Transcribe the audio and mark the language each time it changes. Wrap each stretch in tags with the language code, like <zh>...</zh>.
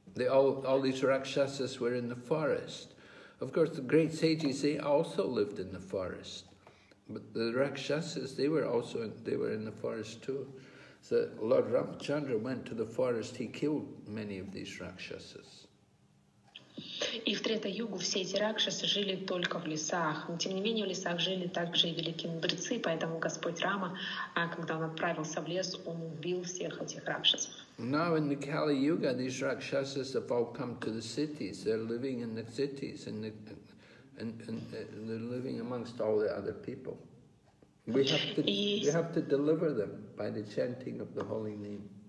<en>All these rakshasas were in the forest. Of course, the great sages, they also lived in the forest. But the rakshasas, they were in the forest too. So Lord Ramachandra went to the forest, he killed many of these rakshasas.</en> <ru>И в Трета-югу все эти ракшасы жили только в лесах. Но тем не менее в лесах жили также и великие мудрецы, поэтому Господь Рама, когда он отправился в лес, он убил всех этих ракшасов.</ru> <en>Now in the Kali-yuga, these rakshasas have all come to the cities. They're living in the cities, in the and they're living amongst all the other people. We have to deliver them by the chanting of the holy name.</en>